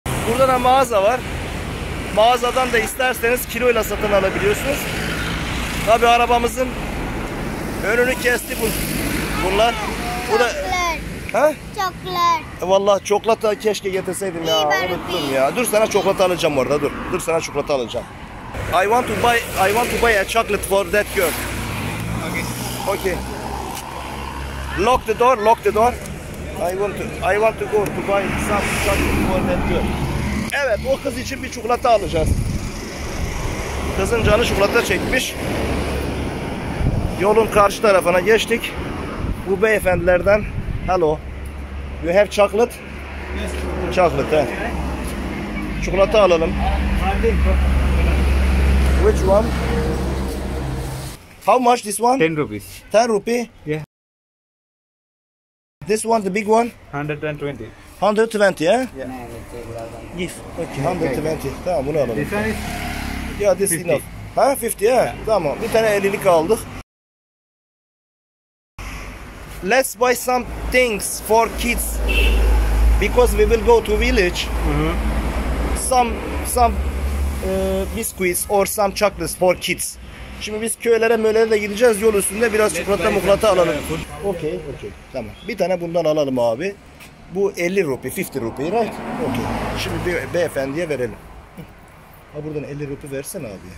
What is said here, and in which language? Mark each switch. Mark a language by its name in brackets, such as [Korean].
[Turkish] Burada da mağaza var. Mağazadan da isterseniz kiloyla satın alabiliyorsunuz. Tabi arabamızın önünü kesti bu Bunlar bu da çoklar. Vallahi çokolata keşke getirseydim ya. Unuttum ya. Dur sana çikolata alacağım orada dur. Dur sana çikolata alacağım. [English] I want to buy a chocolate for that girl. Okay. Okay. Lock the door. I want to go to buy some chocolate for that girl. [Turkish] Evet, o kız için bir çikolata alacağız. Kızın canı çikolata çekmiş. Yolun karşı tarafına geçtik. Bu beyefendilerden hello. [English] You have chocolate? Yes. Chocolate, he. [Turkish] Çikolata alalım. [English] Which one? How much this one? 10 rupees. 10 rupee? Yeah. This one, the big one? 120. 120, yeah? Yes. Okay, 120. [Turkish] Tamam, bunu alalım. [English] This one is? Yeah, this 50. Enough. Ha, 50, yeah? [Turkish] Tamam, bir tane 50'lik aldık. [English] Let's buy some things for kids because we will go to village. Mm-hmm. Some biscuits or some chocolates for kids. [Turkish] Şimdi biz köylere mölere de gideceğiz yol üstünde biraz çikolata muklata alalım. [English] Okay, okay. [Turkish] Tamam. Bir tane bundan alalım abi. Bu 50 rupee, [English] 50 rupee, right? Okay. [Turkish] Şimdi bir beyefendiye verelim. Ha buradan 50 rupee versene abi.